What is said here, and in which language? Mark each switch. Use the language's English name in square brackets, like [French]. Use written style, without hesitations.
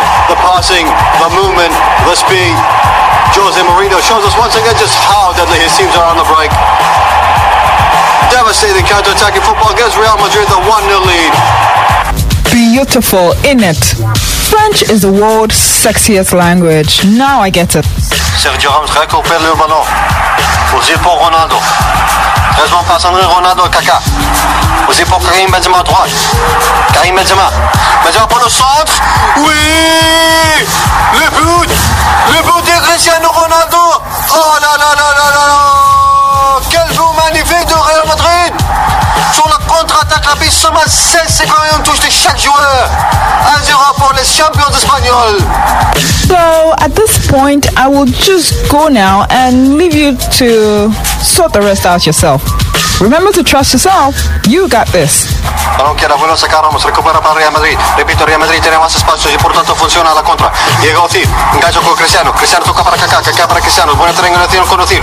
[English] The passing, the movement, the speed. Jose Mourinho shows us once again just how deadly his teams are on the break. Devastating counter-attack in football gives Real Madrid the 1-0 lead. Beautiful, isn't it? French is the world's sexiest language. Now I get it. [French] Sergio Ramos récupère le ballon. Posé pour Ronaldo. Heureusement passe André Ronaldo Kaká. Posé pour Karim Benzema à droite. Karim Benzema. Benzema pour le centre. Oui! Le but! Le but de Cristiano Ronaldo! Oh là là là là là! Quel jour magnifique de Real Madrid! Sur la contre-attaque rapide, seulement 16 secondes et on touche de chaque joueur. 1-0 pour les champions espagnols. [English] So, at this point, I will just go now and leave you to sort the rest out yourself. Remember to trust yourself. You got this. [Spanish] Balón queda bueno, saca Ramos, recupera para Real Madrid. Repito, Real Madrid tiene más espacio y por tanto funciona la contra. Llega Ozil, engancha con Cristiano. Cristiano toca para Kaká, Kaká para Cristiano. Buena triangulación con Ozil.